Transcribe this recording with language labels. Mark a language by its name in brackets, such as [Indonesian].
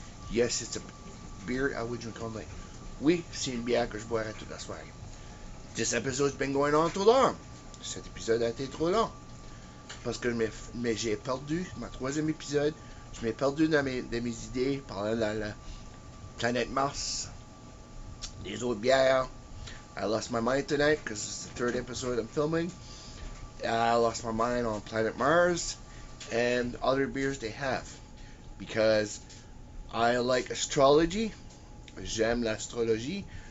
[English] Yes, it's a beer I would drink all night. [French] Oui, c'est une bière que je boirais toute la soirée. [English] This episode's been going on too long. [French] Cet épisode a été trop long. Parce que mais j'ai perdu ma troisième épisode. Je m'ai perdu dans mes idées par la planète Mars. Les autres bières. [English] I lost my mind tonight because it's the third episode I'm filming. I lost my mind on planet Mars and other beers they have. Because I like astrology. [French] J'aime l'astrologie.